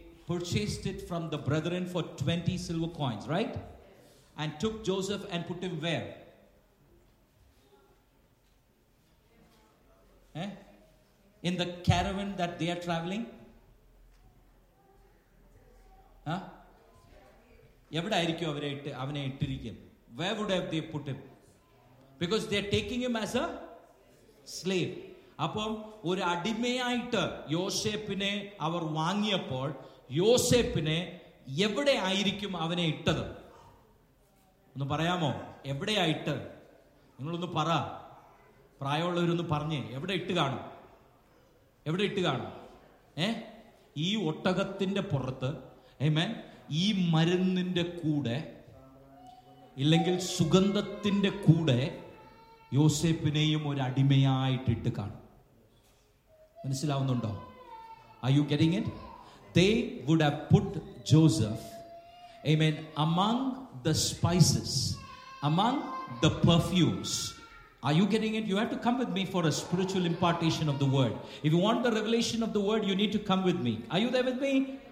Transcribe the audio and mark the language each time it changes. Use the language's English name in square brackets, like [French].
[English] purchased it from the brethren for 20 silver coins, right? And took Joseph and put him where? Eh? In the caravan that they are traveling? Huh? [Malayalam] എവിടെ ആയിരിക്കും അവരെ ഇട്ട് അവനെ ഇട്ടിരിക്കും? [English] Where would have they put him? Because they are taking him as a slave. [Malayalam] അപ്പം ഒരു അടിമയായിട്ട് യോസേപ്പിനെ അവർ വാങ്ങിയപ്പോൾ യോസേപ്പിനെ എവിടെയായിരിക്കും അവനെ ഇട്ടത് ഒന്ന് പറയാമോ? എവിടെയായിട്ട് നിങ്ങളൊന്ന് പറ, പ്രായമുള്ളവരൊന്ന് പറഞ്ഞേ, എവിടെ ഇട്ട് കാണും? എവിടെ ഇട്ട് കാണും? ഏ, ഈ ഒട്ടകത്തിൻ്റെ പുറത്ത്, ആമേൻ, ഈ മരുന്നിൻ്റെ കൂടെ, ഇല്ലെങ്കിൽ സുഗന്ധത്തിൻ്റെ കൂടെ യോസേപ്പിനെയും ഒരു അടിമയായിട്ടിട്ട് കാണും. മനസ്സിലാവുന്നുണ്ടോ? [English] Are you getting it? They would have put Joseph, amen, among the spices, among the perfumes. Are you getting it? You have to come with me for a spiritual impartation of the word. If you want the revelation of the word, you need to come with me. Are you there with me?